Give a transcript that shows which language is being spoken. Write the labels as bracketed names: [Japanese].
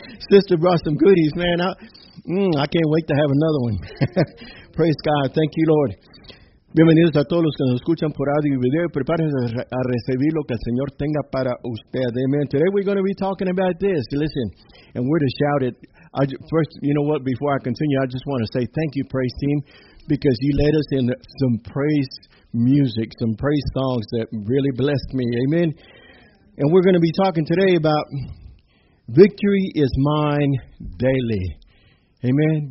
[English] Sister brought some goodies, man. I can't wait to have another one. Praise God. Thank you, Lord. [Spanish] Bienvenidos a todos los que nos escuchan por audio y video. Prepárense a recibir lo que el Señor tenga para usted. [English] Amen. Today we're going to be talking about this. Listen, and we're to shout it. Before I continue, I just want to say thank you, praise team, because you led us in some praise music, some praise songs that really blessed me. Amen. And we're going to be talking today about victory is mine daily. Amen.